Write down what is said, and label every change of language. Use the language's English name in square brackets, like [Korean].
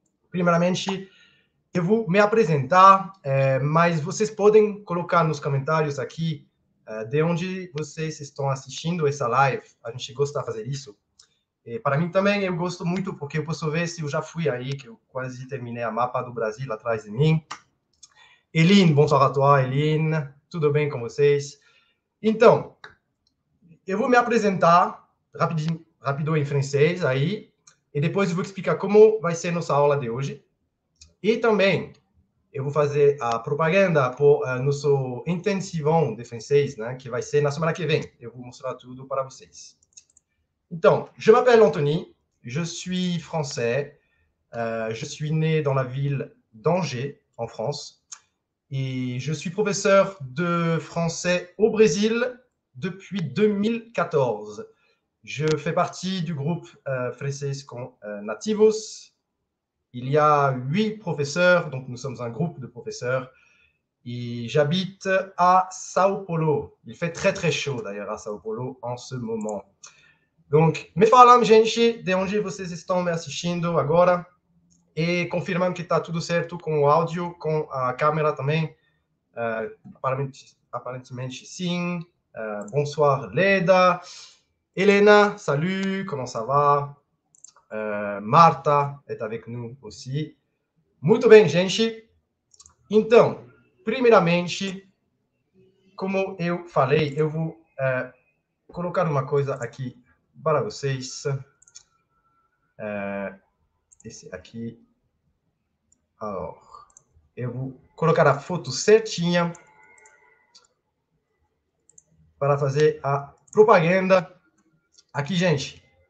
[Portuguese] Primeiramente, eu vou me apresentar, mas vocês podem colocar nos comentários aqui, de onde vocês estão assistindo essa live. A gente gosta de fazer isso. E para mim também, eu gosto muito, porque eu posso ver se eu já fui aí, que eu quase terminei a mapa do Brasil atrás de mim. [French] Eline, bonsoir à toi, Eline. [Portuguese] Tudo bem com vocês? Então, eu vou me apresentar rapidinho, rapidinho em francês aí, e depois eu vou explicar como vai ser nossa aula de hoje. E também, eu vou fazer a propaganda pro nosso intensivão de francês, né, que vai ser na semana que vem. Eu vou mostrar tudo para vocês. [French] Então, je m'appelle Anthony, je suis français, je suis né dans la ville d'Angers, en France, et je suis professeur de français au Brésil depuis 2014. Je fais partie du groupe Francesco Nativos. Il y a 8 professeurs, donc nous sommes un groupe de professeurs, et j'habite à São Paulo. Il fait très très chaud d'ailleurs à São Paulo en ce moment. [Portuguese] Donc, me falam, gente, de onde vocês estão me assistindo agora. E confirmam que está tudo certo com o áudio, com a câmera também. Aparentemente sim. [French] Bonsoir, [Portuguese] Leda. [French] Helena, salut, comment ça va? Marta est avec nous aussi. [Portuguese] Muito bem, gente. Então, primeiramente, como eu falei, eu vou colocar uma coisa aqui. Para vocês, esse aqui, eu vou colocar a foto certinha para fazer a propaganda aqui, gente.